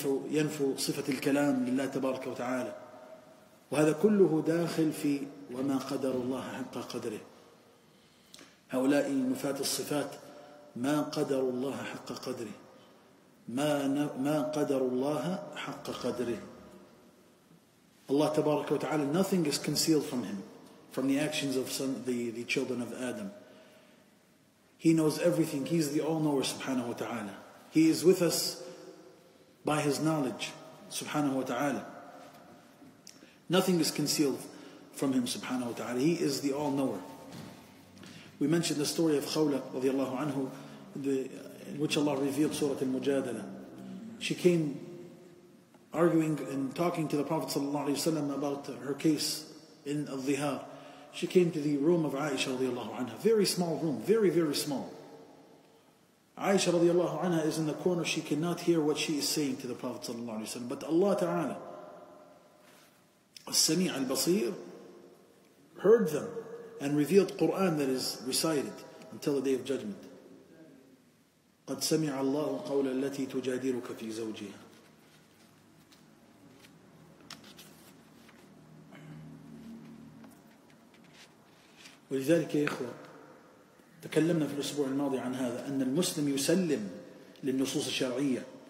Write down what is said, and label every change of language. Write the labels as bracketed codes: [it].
[ar] ينفوا صفة الكلام لله تبارك وتعالى وهذا كله داخل في وما قدر الله حق قدره هؤلاء نفاة الصفات ما قدر الله حق قدره ما قدر الله حق قدره الله تبارك وتعالى [en] nothing is concealed from him from the actions of some, the children of Adam. He knows everything. He is the all-knower, subhanahu wa ta'ala. He is with us by his knowledge, subhanahu wa ta'ala. Nothing is concealed from him, subhanahu wa ta'ala. He is the all-knower. We mentioned the story of Khawla, radiallahu anhu, in which Allah revealed Surah Al-Mujadala. She came arguing and talking to the Prophet sallallahu alayhi wa sallam about her case in Al-Dhihar. She came to the room of Aisha radiallahu anha. Very small room, very, very small. Aisha radiallahu anha is in the corner. She cannot hear what she is saying to the Prophet sallallahu alayhi wa sallam. But Allah ta'ala, As-Sami' al-Basir, heard them and revealed Qur'an that is recited until the Day of Judgment. [ar] قَدْ سَمِعَ اللَّهُ قَوْلَ الَّتِي تُجَادِرُكَ فِي زَوْجِهَا ولذلك يا إخوة تكلمنا في الأسبوع الماضي عن هذا أن المسلم يسلم للنصوص الشرعية